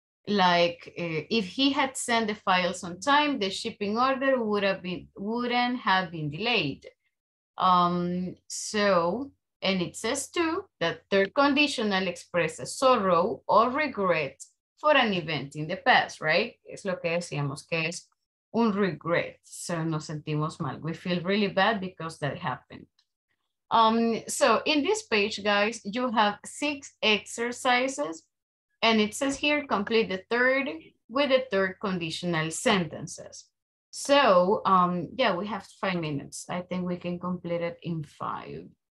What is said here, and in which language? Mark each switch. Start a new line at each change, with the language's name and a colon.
English: Like if he had sent the files on time, the shipping order wouldn't have been delayed. And it says too that third conditional expresses sorrow or regret for an event in the past, right?
Spanish: Es lo que decíamos que es un regret.
English: So
Spanish: nos sentimos mal.
English: We feel really bad because that happened. So in this page, guys, you have 6 exercises. And it says here, complete the third with the third conditional sentences. So yeah, we have 5 minutes. I think we can complete it in 5.